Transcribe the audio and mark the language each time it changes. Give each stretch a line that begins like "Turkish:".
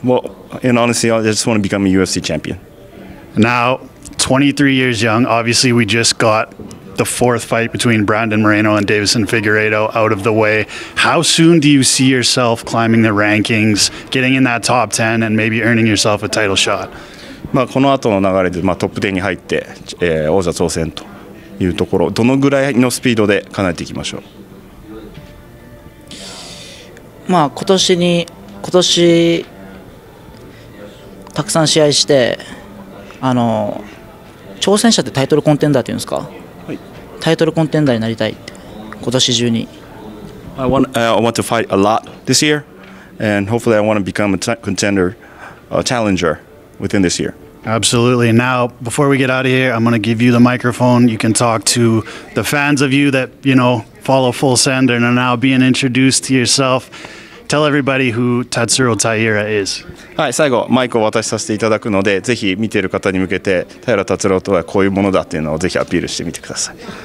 English: Well, and honestly, I just want to become a UFC champion. Now, 23 years young, obviously we just got the fourth fight between Brandon Moreno and Davison Figueiredo out of the way. How soon do you see yourself climbing the rankings, getting in that top 10 and maybe earning yourself a title shot?
Japanese: この後の流れで、トップ10に入って、王座挑戦というところ、どのぐらいのスピードで叶えていきましょう。今年たくさん試合して、挑戦者ってタイトルコンテンダーっていうんですか、はい、タイトルコンテンダーになりたいって、今年中に。
English: I want to fight a lot this year, and hopefully I want to become a contender, a challenger within this year. Absolutely. Now, before we get out of here, I'm going to give you the microphone. You can talk to the fans of you that, follow Full Send and are now being introduced to yourself. Tell everybody who Tatsuro Taira is.
Japanese: はい、最後、マイクを渡しさせていただくので、ぜひ見ている方に向けて、平田達郎とはこういうものだっていうのをぜひアピールしてみてください。